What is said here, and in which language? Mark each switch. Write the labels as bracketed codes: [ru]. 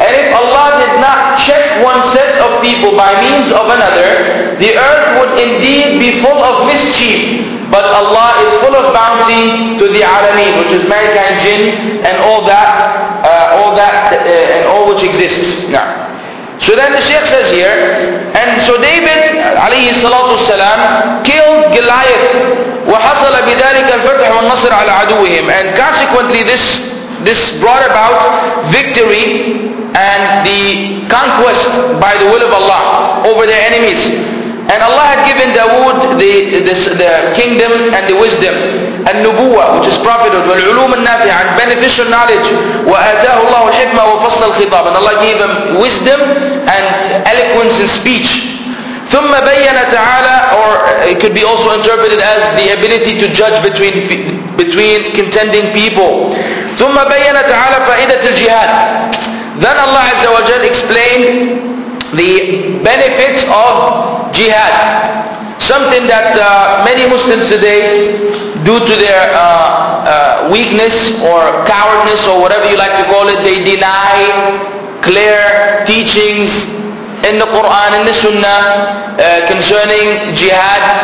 [en] And if Allah did not check one set of people by means of another, the earth would indeed be full of mischief. But Allah is full of bounty to the Alameen, which is mankind, jinn, and all that, and all which exists. Now. So then the Shaykh says here, And so David [ar] عليه الصلاة والسلام [en] killed Goliath. [ar] وحصل بذلك الفتح والنصر على عدوهم. [en] And consequently this brought about victory and the conquest by the will of Allah over their enemies. And Allah had given Dawood the kingdom and the wisdom. [ar] النبوة, [en] which is prophethood, [ar] والعلوم النافعة, [en] and beneficial knowledge. [ar] وآتاه الله الحكمة وفصل الخطاب. [en] And Allah gave him wisdom and eloquence in speech. [ar] ثم بين تعالى, [en] or it could be also interpreted as the ability to judge between contending people. [ar] ثم بين تعالى فائدة الجهاد. [en] Then Allah [ar] عز وجل [en] explained the benefits of jihad. Something that many Muslims today, due to their weakness or cowardness or whatever you like to call it, they deny clear teachings in the Quran, in the Sunnah concerning jihad.